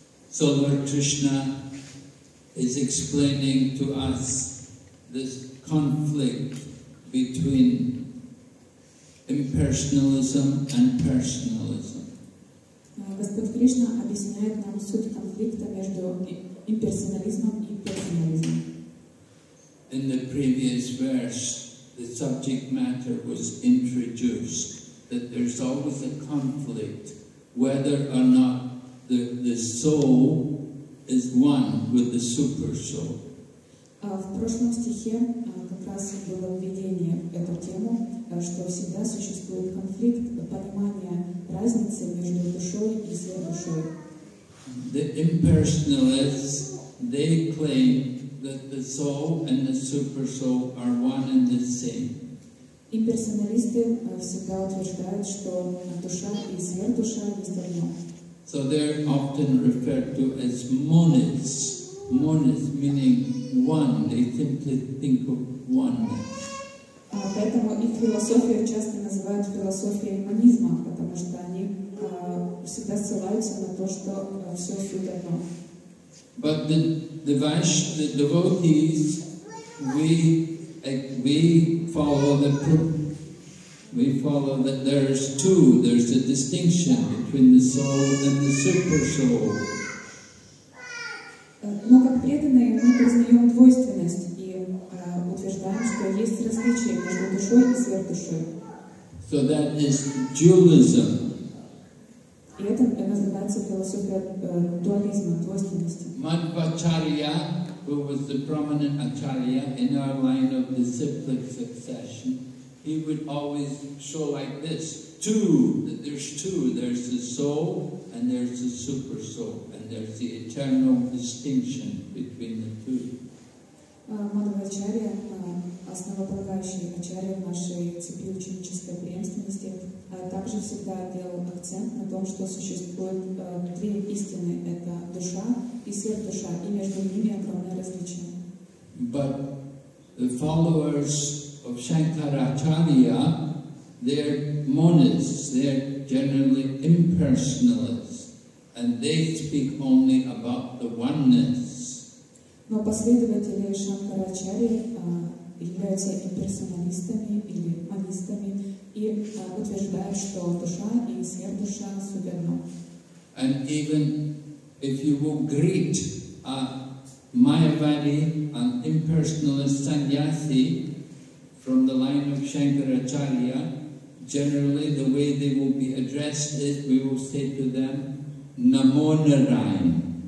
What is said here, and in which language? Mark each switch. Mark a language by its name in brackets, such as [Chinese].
[English] So Lord Krishna is explaining to us this conflict between impersonalism and personalism. [Russian] Господь Кришна объясняет нам суть конфликта между имперсонализмом и персонализмом. [English] In the previous verse, the subject matter was introduced that there's always a conflict whether or not the soul is one with the super soul. [Russian] В прошлом стихе как раз было введение в эту тему, что всегда существует конфликт понимания разницы между душой и сверхдушой. [English] The impersonalists, they claim that the soul and the super soul are one and the same. [Russian] Имперсоналисты всегда утверждают, что душа и сверхдуша есть одно. [English] So they're often referred to as monads. Monads meaning one, they simply think of oneness. [Russian] Поэтому их философию часто называют философией монизма, потому что они всегда ссылаются на то, что все суть одно. [English] But the devotees, we follow that there's a distinction between the soul and the super soul. [Russian] Но как преданные мы признаем двойственность и утверждаем, что есть различие между душой и сверхдушой. [English] So that is dualism. [Russian] И это называется философия дуализма, двойственности. [English] Madhvacharya, who was the prominent acharya in our line of disciplic succession, he would always show like this, two, that there's two, there's the soul and there's the super soul, and there's the eternal distinction between the two. [Russian] Мадхавачарья, основополагающий ачарья в нашей цепи ученической преемственности, также всегда делал акцент на том, что существует три истины – это душа и сверхдуша, и между ними огромное различие. [English] But the followers of Shankaracharya, they're monists, they're generally impersonalists, and they speak only about the oneness. [Russian] Но последователи Шанкарачарьи являются имперсоналистами или монистами и утверждают, что душа и сверхдуша суть одно. [English] And even if you will greet a Mayavadi, an impersonalist sannyasi from the line of Shankaracharya, generally the way they will be addressed is we will say to them, Namo Narayan.